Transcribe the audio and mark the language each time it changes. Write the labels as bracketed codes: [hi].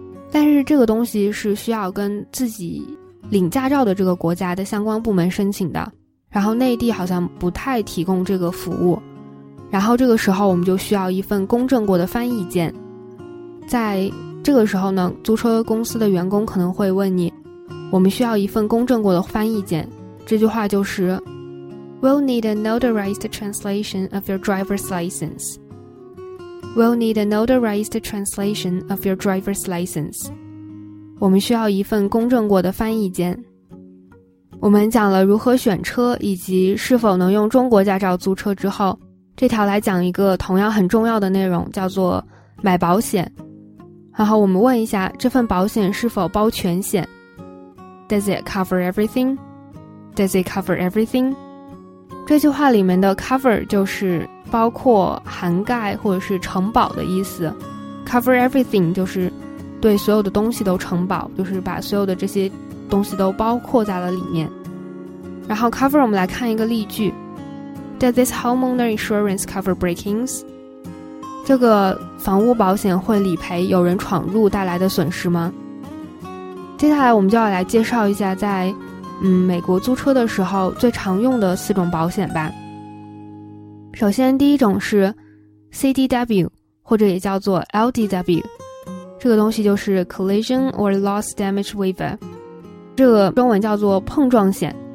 [zh] 但是这个东西是需要跟自己领驾照的这个国家的相关部门申请的，然后内地好像不太提供这个服务，然后这个时候我们就需要一份公证过的翻译件。在这个时候呢，租车公司的员工可能会问你，我们需要一份公证过的翻译件，这句话就是 We'll need a notarized translation of your driver's license. [en] We'll need a notarized translation of your driver's license. [zh] 我们需要一份公证过的翻译件。我们讲了如何选车以及是否能用中国驾照租车之后，这条来讲一个同样很重要的内容，叫做买保险。然后我们问一下，这份保险是否包全险？ [en] Does it cover everything? Does it cover everything? [zh] 这句话里面的 cover 就是包括、涵盖或者是承保的意思。 Cover everything 就是对所有的东西都承保，就是把所有的这些东西都包括在了里面。然后 cover 我们来看一个例句， Does this homeowner insurance cover break-ins? 这个房屋保险会理赔有人闯入带来的损失吗？接下来我们就要来介绍一下在美国租车的时候最常用的四种保险吧。首先第一种是 CDW， 或者也叫做 LDW， 这个东西就是 Collision or Loss Damage Waiver， 这个中文叫做碰撞险。